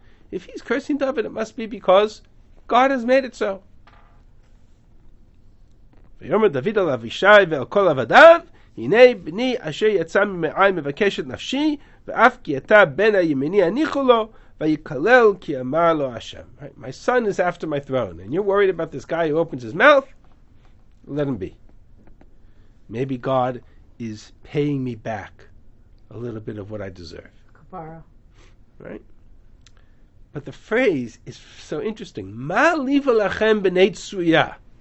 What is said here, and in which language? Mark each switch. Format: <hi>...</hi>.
<en>If he's cursing David, it must be because God has made it so.</en> <he>ויאמר דוד אל אבישי ואל כל עבדיו, הנה בני אשר יצא ממעי מבקש את נפשי, ואף כי אתה בן הימיני הניחו לו, ויקלל כי אמר לו השם.</he> <en>My son is after my throne, and you're worried about this guy who opens his mouth? Let him be. Maybe God is paying me back a little bit of what I deserve. Kapara. Right? But the phrase is so interesting.</en> <he>Ma liva lachem b'nei tsuya.</he>